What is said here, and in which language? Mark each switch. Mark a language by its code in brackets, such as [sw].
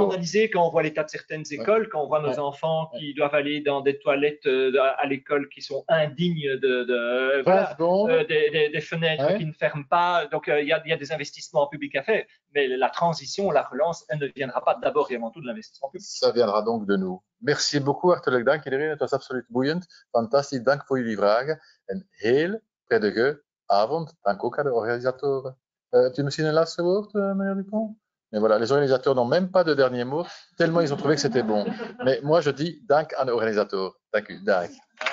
[fr] On est scandalisé quand on voit l'état de certaines écoles, quand on voit nos enfants qui doivent aller dans des toilettes à l'école qui sont indignes des fenêtres qui ne ferment pas. Donc, il y a des investissements publics à faire. Mais la transition, la relance, elle ne viendra pas d'abord et avant tout de l'investissement public. Ça viendra donc de nous. Merci beaucoup, [nl] Hartelijk dank. Iedereen, het was absoluut boeiend. Fantastisch, dank voor jullie vragen. Een heel prettige avond. Dank ook aan de organisatoren. [fr] Tu me signes un last word, Mme Dupont? Mais voilà, les organisateurs n'ont même pas de dernier mot, tellement ils ont trouvé que c'était bon. Mais moi, je dis [nl] dank aan de organisatoren. Dank u, dank.